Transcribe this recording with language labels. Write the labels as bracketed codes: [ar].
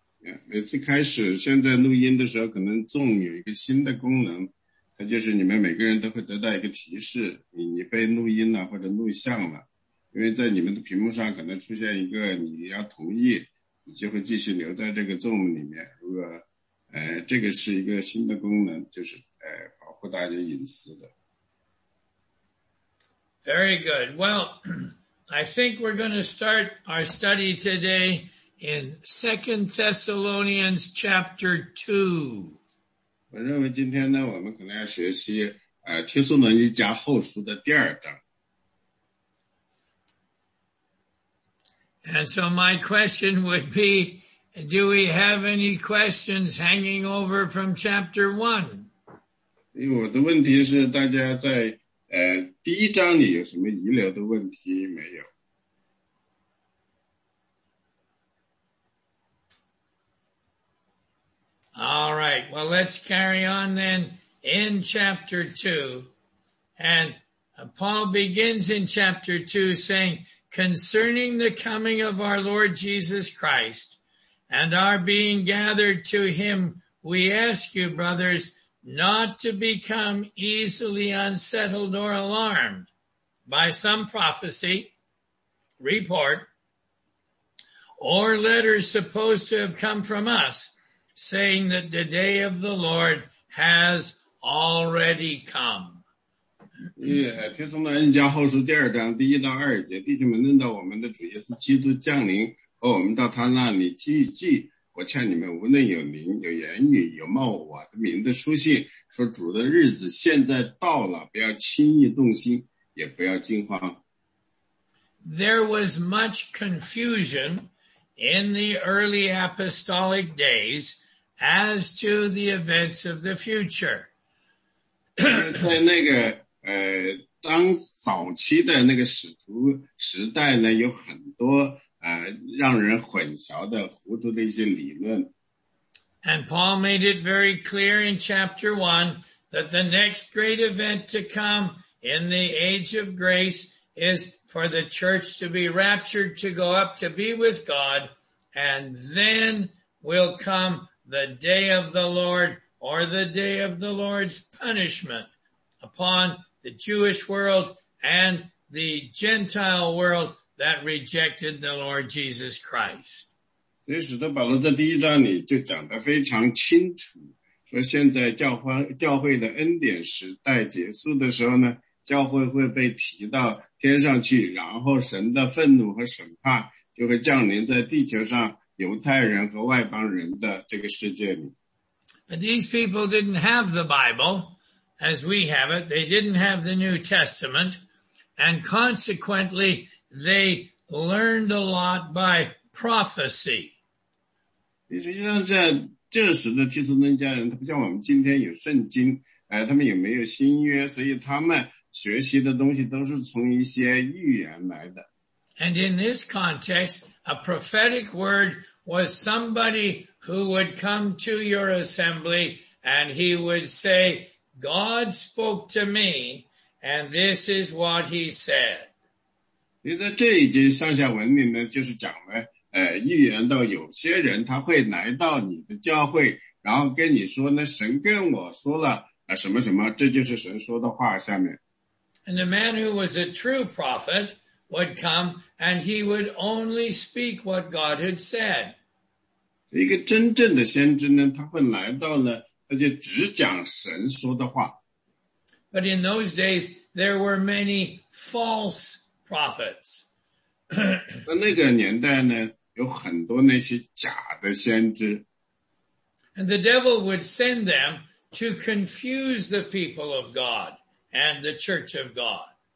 [zh] Yeah, 每次开始现在录音的时候可能Zoom有一个新的功能，它就是你们每个人都会得到一个提示，你被录音了或者录像了，因为在你们的屏幕上可能出现一个你要同意，你就会继续留在这个Zoom里面。如果这个是一个新的功能，就是保护大家隐私的。 [en] Very good. Well, I think we're going to start our study today in 2 Thessalonians chapter 2. [zh] 我认为今天呢，我们可能要学习帖撒罗尼迦后书的第二章。 [en] And so my question would be, do we have any questions hanging over from chapter 1? [zh] 因为我的问题是大家在第一章里有什么遗留的问题没有？ [en] All right, well, let's carry on then in chapter 2. And Paul begins in chapter 2 saying, concerning the coming of our Lord Jesus Christ and our being gathered to him, we ask you, brothers,not to become easily unsettled or alarmed by some prophecy, report, or letter supposed to have come from us, saying that the day of the Lord has already come. [zh] 帖撒罗尼迦后书第二章第一到二节，弟兄们，论到我们的主耶稣基督降临和我们到他那里聚集，我劝你们，无论有灵、有言语、有冒我的名的书信，说主的日子现在到了，不要轻易动心，也不要惊慌。 [en] There was much confusion in the early apostolic days as to the events of the future. [zh] 在那个当早期的那个使徒时代呢，有很多让人混淆的糊涂的一些理论。 [en] And Paul made it very clear in chapter 1 that the next great event to come in the age of grace is for the church to be raptured to go up to be with God, and then will come the day of the Lord or the day of the Lord's punishment upon the Jewish world and the Gentile worldthat rejected the Lord Jesus Christ. [zh] 所以使徒保罗在第一章里就讲得非常清楚，说现在教会的恩典时代结束的时候呢，教会会被提到天上去，然后神的愤怒和审判就会降临在地球上犹太人和外邦人的这个世界里。 [en] But these people didn't have the Bible as we have it. They didn't have the New Testament. And consequently, they learned a lot by prophecy. [zh] 实际上在这时的提斯论家人他不像我们今天有圣经、他们也没有新约所以他们学习的东西都是从一些预言来的。 [en] And in this context, a prophetic word was somebody who would come to your assembly and he would say, God spoke to me, and this is what he said. [zh] 在这一节上下文里呢就是讲了预言到有些人他会来到你的教会然后跟你说呢神跟我说了什么什么这就是神说的话下面。 [en] And the man who was a true prophet,would come, and he would only speak what God had said. [zh] 一个真正的先知呢，他会来到了，他就只讲神说的话。 [en] But in those days, there were many false prophets. [zh] 在那个年代呢，有很多那些假的先知。 [en] And the devil would send them to confuse the people of God and the church of God.